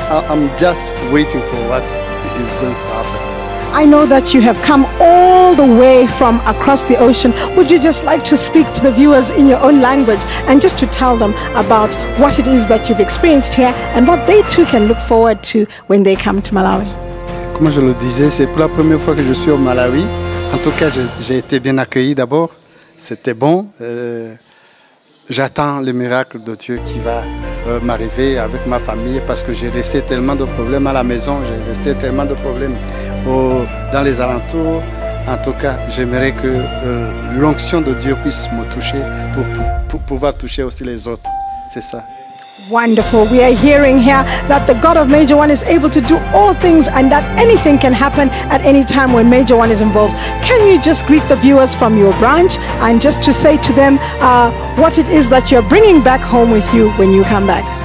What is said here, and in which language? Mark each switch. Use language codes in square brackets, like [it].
[en] I'm just waiting for what is going to happen. I know that you have come all the way from across the ocean. Would you just like to speak to the viewers in your own language and just to tell them about what it is that you've experienced here and what they too can look forward to when they come to Malawi? [fr] Comme je le disais, c'est pour la première fois que je suis au Malawi. En tout cas, j'ai été bien accueilli d'abord. C'était bon. J'attends le miracle de Dieu qui va m'arriver avec ma famille, parce que j'ai laissé tellement de problèmes à la maison, j'ai laissé tellement de problèmes dans les alentours. En tout cas, j'aimerais que l'onction de Dieu puisse me toucher pour pouvoir toucher aussi les autres. C'est ça. [en] Wonderful. We are hearing here that the God of Major One is able to do all things and that anything can happen at any time when Major One is involved. Can you just greet the viewers from your branch and just to say to them what it is that you're bringing back home with you when you come back?